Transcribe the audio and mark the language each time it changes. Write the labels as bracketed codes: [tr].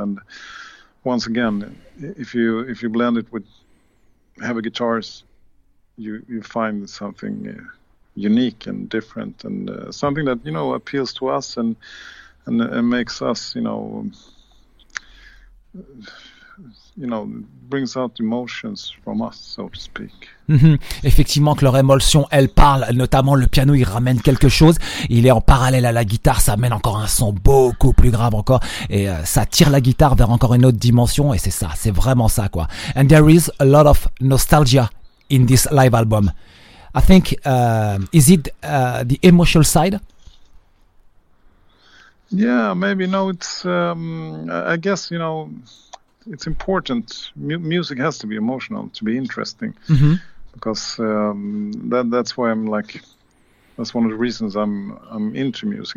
[en] And once again, if you blend it with heavy guitars, you find something unique and different and something that, you know, appeals to us and makes us, you know, brings out emotions from us, so to speak. Mm-hmm. [fr] Effectivement, que leur émotion, elle parle, notamment le piano, il ramène quelque chose. Il est en parallèle à la guitare, ça amène encore un son beaucoup plus grave encore. Et ça tire la guitare vers encore une autre dimension et c'est ça, c'est vraiment ça, quoi. [en] And there is a lot of nostalgia in this live album. I think, is it the emotional side? Yeah, maybe. No, it's, I guess, you know, it's important. Music has to be emotional to be interesting. Mm-hmm. Because that's why I'm like, that's one of the reasons I'm into music.